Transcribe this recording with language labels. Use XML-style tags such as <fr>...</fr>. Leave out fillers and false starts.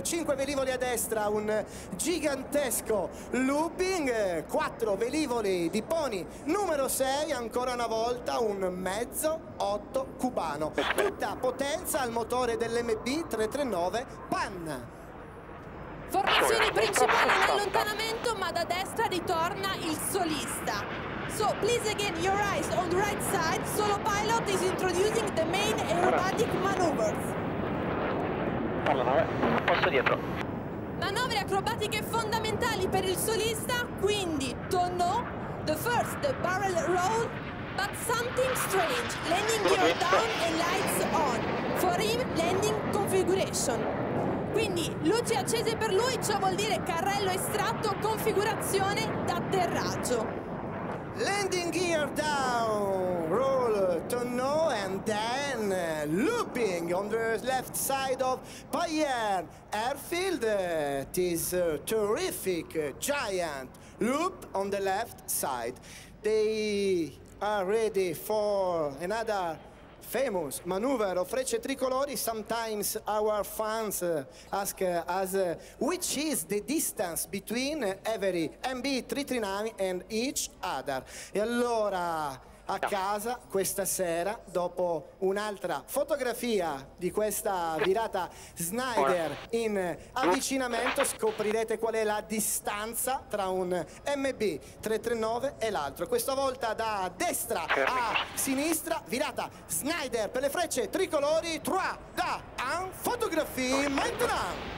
<it>5 velivoli a destra, un gigantesco looping, 4 velivoli di pony numero 6, ancora una volta un mezzo 8 cubano, tutta potenza al motore dell'MB 339 PAN. Formazione principale all'allontanamento, ma da destra ritorna il solista.</it> <en>So, please again, your eyes on the right side. Solo pilot is introducing the main aerobatic maneuvers.</en> <it>Parla 9, posto dietro. Manovre acrobatiche fondamentali per il solista, quindi tonneau,</it> <en>the first barrel roll, but something strange. Landing gear down and lights on. For him, landing configuration.</en> <it>Quindi, luci accese per lui, ciò vuol dire carrello estratto, configurazione d'atterraggio.</it> <en>Landing gear down, roll to no, and then looping on the left side of Payer Airfield. It is a terrific giant loop on the left side. They are ready for another famous maneuver of frecce tricolori. Sometimes our fans ask us which is the distance between every MB339 and each other.</en> <it>E allora a casa questa sera, dopo un'altra fotografia di questa virata Snyder in avvicinamento, scoprirete qual è la distanza tra un MB339 e l'altro. Questa volta da destra a sinistra, virata Snyder per le frecce tricolori, 3, 2, 1, fotografie maintenant!</it>